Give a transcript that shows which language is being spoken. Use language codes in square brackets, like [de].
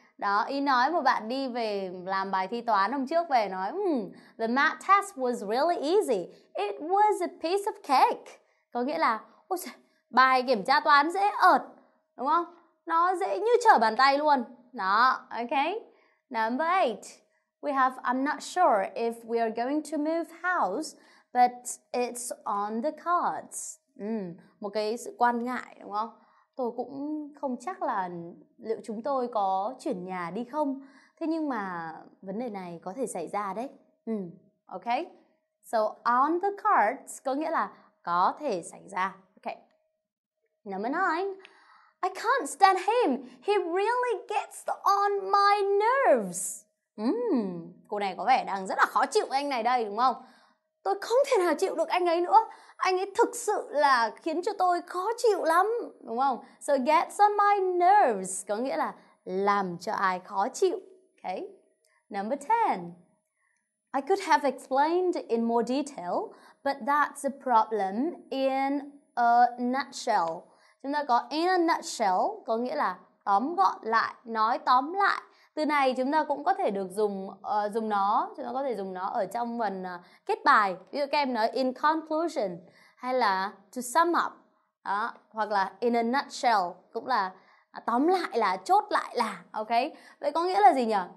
[vi] Đó, ý nói một bạn đi về làm bài thi toán hôm trước về nói [en] the math test was really easy. It was a piece of cake. [vi] Có nghĩa là ôi trời, bài kiểm tra toán dễ ợt, đúng không? Nó dễ như trở bàn tay luôn. [en] Đó, okay. Number 8. We have I'm not sure if we are going to move house, but it's on the cards. [vi] Một cái sự quan ngại, đúng không? Tôi cũng không chắc là liệu chúng tôi có chuyển nhà đi không. Thế nhưng mà vấn đề này có thể xảy ra đấy. Okay. So on the cards có nghĩa là có thể xảy ra. [en] Okay. Number 9. I can't stand him. He really gets on my nerves. [vi] Cô này có vẻ đang rất là khó chịu anh này đây, đúng không? Tôi không thể nào chịu được anh ấy nữa. Anh ấy thực sự là khiến cho tôi khó chịu lắm, đúng không? So gets on my nerves có nghĩa là làm cho ai khó chịu. [en] Okay. Number 10. I could have explained in more detail, but that's a problem in a nutshell. [vi] Chúng ta có in a nutshell có nghĩa là tóm gọn lại, nói tóm lại. Từ này chúng ta cũng có thể được dùng dùng nó ở trong phần kết bài. Ví dụ các em nói in conclusion hay là to sum up. Đó, hoặc là in a nutshell cũng là tóm lại, là chốt lại là. Okay. Vậy có nghĩa là gì nhỉ?